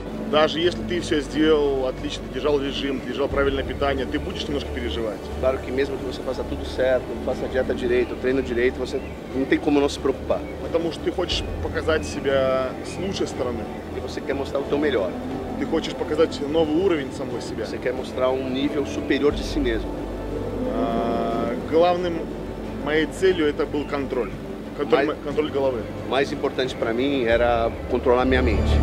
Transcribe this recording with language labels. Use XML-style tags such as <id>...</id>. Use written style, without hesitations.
<ru>Даже если ты все сделал отлично, держал режим, держал правильное питание, ты будешь немножко переживать?</ru> <pt>Claro que mesmo que você faça tudo certo, faça dieta direito, treino direito, você não tem como não se preocupar.</pt> <ru>Потому что ты хочешь показать себя с лучшей стороны.</ru> <pt>И você quer mostrar o teu melhor.</pt> <ru>Ты хочешь показать новый уровень самого себя.</ru> <pt>Você quer mostrar um nível superior de si mesmo.</pt> <ru>Главным моей целью это был контроль. Контроль головы.</ru> <pt>Mais importante para mim era controlar minha mente.</pt>